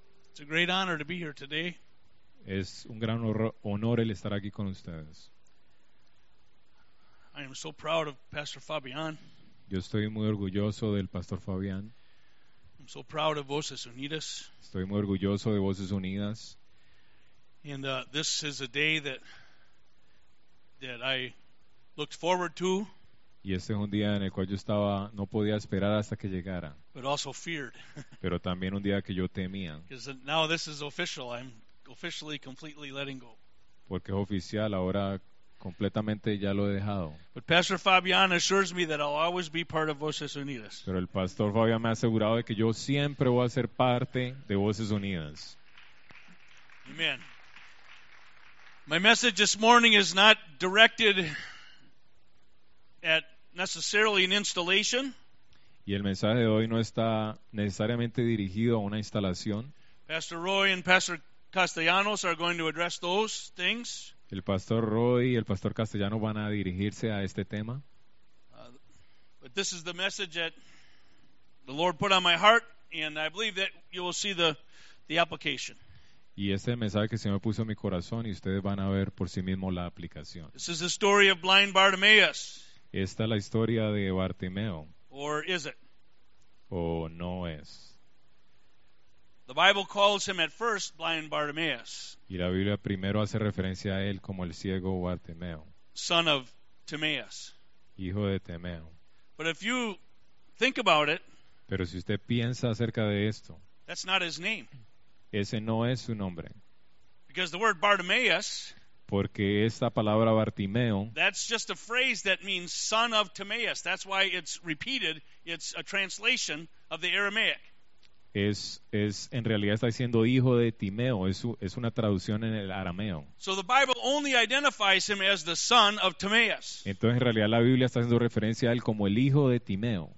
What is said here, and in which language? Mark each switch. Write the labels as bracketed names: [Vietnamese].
[English] It's a great honor to be here today. [Spanish] Es un gran honor el estar aquí con ustedes. [English] I am so proud of Pastor Fabian. [Spanish] Yo estoy muy orgulloso del Pastor Fabian. [English] I'm so proud of Voces Unidas. [Spanish] Estoy muy orgulloso de Voces Unidas. [English] And this is a day that I looked forward to. [Spanish] Y este es un día en el cual yo estaba, no podía esperar hasta que llegara. [English] But also feared. [Spanish] Pero también un día que yo temía. [English] Because now this is official. I'm officially completely letting go. [Spanish] Porque es oficial, ahora completamente ya lo he dejado. [English] But Pastor Fabian assures me that I'll always be part of Voces Unidas. [Spanish] Pero el Pastor Fabian me ha asegurado de que yo siempre voy a ser parte de Voces Unidas. [English] Amen. My message this morning is not directed at necessarily an installation. [Spanish] Y el mensaje de hoy no está necesariamente dirigido a una instalación. [English] Pastor Roy and Pastor Castellanos are going to address those things. [Spanish] El Pastor Roy y el Pastor Castellano van a dirigirse a este tema. [English] But this is the message that the Lord put on my heart, and I believe that you will see the application. [Spanish] Y este es el mensaje que el Señor puso en mi corazón, y ustedes van a ver por sí mismo la aplicación. [English] This is the story of blind Bartimaeus. [Spanish] Esta es la historia de Bartimeo. [English] Or is it? [Spanish] O no es. [English] The Bible calls him at first blind Bartimaeus. [Spanish] Y la Biblia primero hace referencia a él como el ciego Bartimeo. [English] Son of Timaeus. [Spanish] Hijo de Timeo. [English] But if you think about it, [Spanish] pero si usted piensa acerca de esto, [English] that's not his name. [Spanish] Ese no es su nombre. [English] Because the word Bartimaeus, [Spanish] porque esta palabra Bartimeo, [English] that's just a phrase that means son of Timaeus. That's why it's repeated. It's a translation of the Aramaic. [Spanish] Es en realidad está diciendo hijo de Timeo. Es una traducción en el arameo. [English] So the Bible only identifies him as the son of Timaeus. [Spanish] Entonces en realidad la Biblia está haciendo referencia a él como el hijo de Timeo.